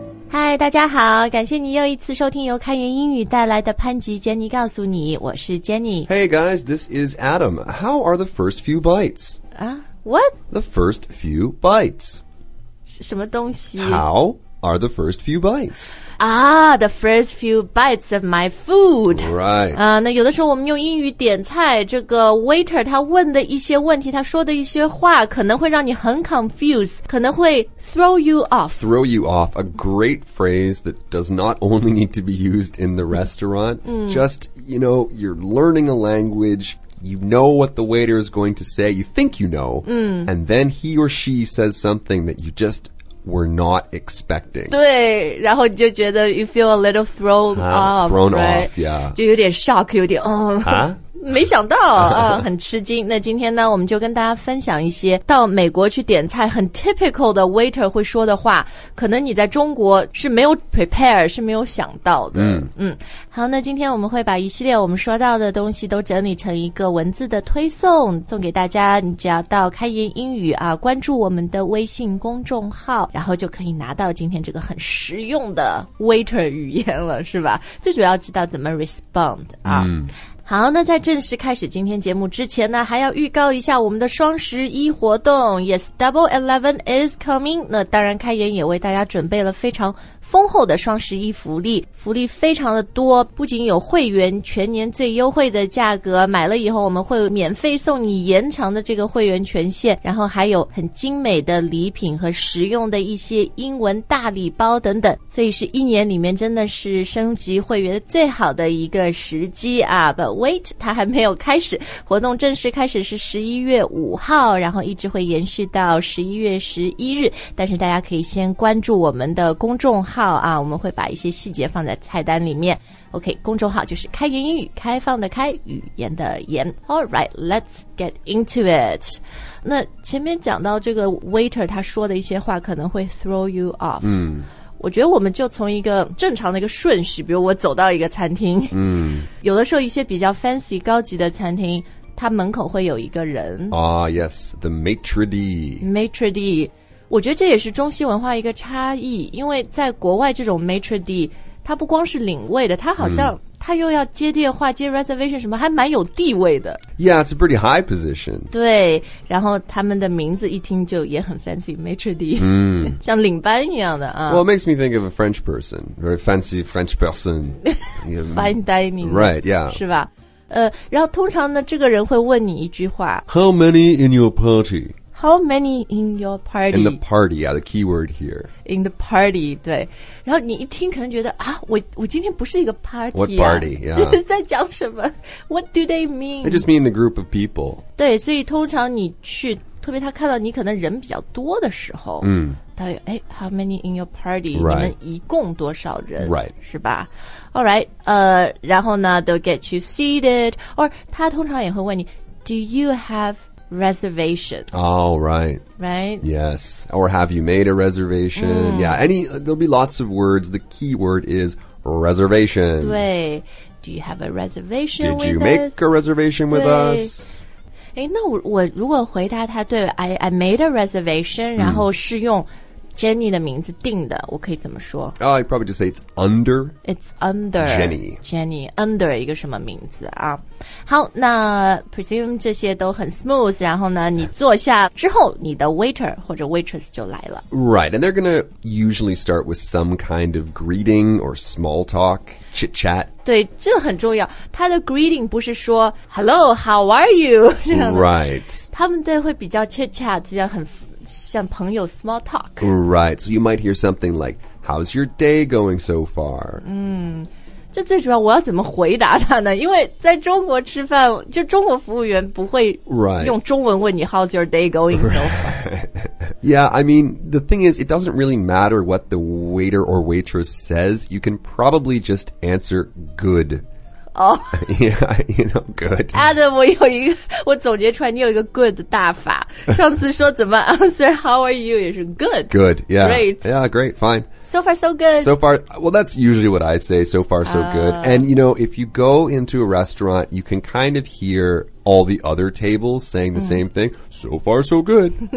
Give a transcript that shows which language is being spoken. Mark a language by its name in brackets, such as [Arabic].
[Chinese] 嗨，大家好，感谢你又一次收听由开源英语带来的潘吉 Jenny 告诉你，我是 Jenny。 [English] Hey guys, this is Adam. How are the first few bites? What? The first few bites. [Chinese] 什么东西 [English] How are the first few bites? The first few bites of my food. Right. [Chinese] 那有的时候我们用英语点菜，这个 waiter 他问的一些问题，他说的一些话，可能会让你很 confused, 可能会 [English] throw you off. Throw you off, a great phrase that does not only need to be used in the restaurant, just, you know, you're learning a language,You know what the waiter is going to say. You think you know. And then he or she says something that you just were not expecting. [Chinese] 对，然后你就觉得 [English] you feel a little thrown off. Thrown、 right? off, yeah. [Chinese] 就有点 shock, 有点没想到很吃惊。那今天呢，我们就跟大家分享一些到美国去点菜很 typical 的 waiter 会说的话，可能你在中国是没有 prepare, 是没有想到的。好，那今天我们会把一系列我们说到的东西都整理成一个文字的推送送给大家，你只要到开言英语啊，关注我们的微信公众号，然后就可以拿到今天这个很实用的 waiter 语言了，是吧？最主要知道怎么 respond 啊。好，那在正式开始今天节目之前呢，还要预告一下我们的双十一活动。 [English] Yes, Double Eleven is coming. [Chinese] 那当然开言也为大家准备了非常丰厚的双十一福利，福利非常的多，不仅有会员全年最优惠的价格，买了以后我们会免费送你延长的这个会员权限，然后还有很精美的礼品和实用的一些英文大礼包等等，所以是一年里面真的是升级会员最好的一个时机啊。 [English] But wait, [Chinese] 它还没有开始，活动正式开始是11月5号，然后一直会延续到11月11日，但是大家可以先关注我们的公众号号啊，我们会把一些细节放在菜单里面。 OK, 公众号就是开言英语，开放的开，语言的言。 [English] All right, let's get into it. [Chinese] 那前面讲到这个 waiter 他说的一些话可能会 [English] throw you off。 [Chinese] 我觉得我们就从一个正常的一个顺序，比如我走到一个餐厅，有的时候一些比较 fancy 高级的餐厅，它门口会有一个人。 [English] Yes, the maitre d'. Maitre d'. [Chinese] 我觉得这也是中西文化一个差异，因为在国外这种 maitre d', 它不光是领位的，它好像它又要接电话、接 reservation 什么，还蛮有地位的。 [English] Yeah, it's a pretty high position. [Chinese] 对，然后他们的名字一听就也很 fancy, maitre d', 像领班一样的啊。 [English] Well, it makes me think of a French person, very fancy French person. Fine dining. Right, yeah. [Chinese] 是吧？然后通常呢，这个人会问你一句话 [English] ：How many in your party? How many in your party? In the party, yeah, the key word here. In the party, 对。 [Chinese] 然后你一听可能觉得啊，我今天不是一个 party 啊。 [English] What party, yeah. [Chinese] 就是在讲什么 ? [English] What do they mean? They just mean the group of people. [Chinese] 对，所以通常你去，特别他看到你可能人比较多的时候，他有哎 , [English] how many in your party? Right. [Chinese] 你们一共多少人 [English] ?Right. [Chinese] 是吧 [English] ?All right, [Chinese] 然后呢 [English] ,they'll get you seated. [Chinese] Or 他通常也会问你 , [English] do you have... Reservation. Oh, right. Right? Yes. Or have you made a reservation? Yeah, there'll be lots of words. The key word is reservation. [Chinese] 对. [English] Do you have a reservation Did with us? Did you make a reservation with us? [Chinese] 诶那 我如果回答他对 [English] I made a reservation, [Chinese] 然后是用 Jenny 的名字定的我可以怎么说 [English] I'd probably just say it's under. It's under. Jenny. [Chinese] Jenny, under 一个什么名字啊。好那 presume 这些都很 smooth 然后呢你坐下之后你的 waiter 或者 waitress 就来了 [English] Right, and they're gonna usually start with some kind of greeting or small talk, chit chat [Chinese] 对这很重要他的 greeting 不是说 [English] Hello, how are you? Right [Chinese] 他们都会比较 chit chat 这样很像朋友 [English] small talk Right, so you might hear something like How's your day going so far? [Chinese] 这最主要我要怎么回答他呢因为在中国吃饭就中国服务员不会用中文问你 [English] How's your day going so far? Yeah, I mean, the thing is, it doesn't really matter what the waiter or waitress says. You can probably just answer good. Oh. Yeah, you know, good. [Chinese] Adam, 我总结出来你有一个 good 的大法。上次说怎么 [English] answer how are you [Chinese] 也是 good. [English] Good, yeah. Great. Yeah, great, fine. So far, so good. So far, well, that's usually what I say, so far, so good. And, you know, if you go into a restaurant, you can kind of hear all the other tables saying the same thing, so far, so good.